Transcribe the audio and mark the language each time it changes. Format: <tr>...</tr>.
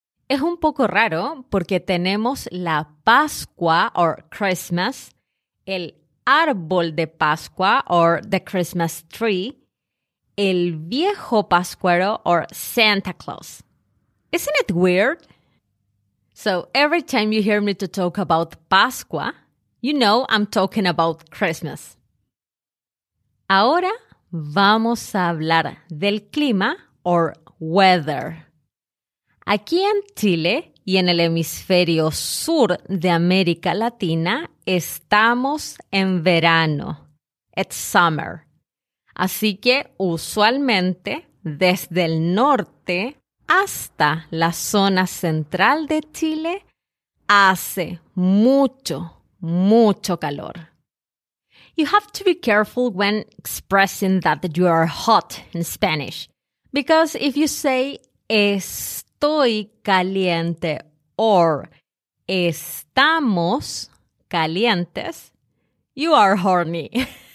<es>Es un poco raro porque tenemos la Pascua or Christmas, el árbol de Pascua</es> <en>or the Christmas tree,</en> <es>el viejo Pascuero or Santa Claus.</es> <en>Isn't it weird? So every time you hear me to talk about Pascua, you know I'm talking about Christmas.</en> <es>Ahora vamos a hablar del clima or weather. Aquí en Chile y en el hemisferio sur de América Latina estamos en verano.</es> <en>It's summer.</en> <es>Así que usualmente desde el norte hasta la zona central de Chile hace mucho, mucho calor.</es> <en>You have to be careful when expressing that you are hot in Spanish. Because if you say estoy caliente or estamos calientes, you are horny.</en>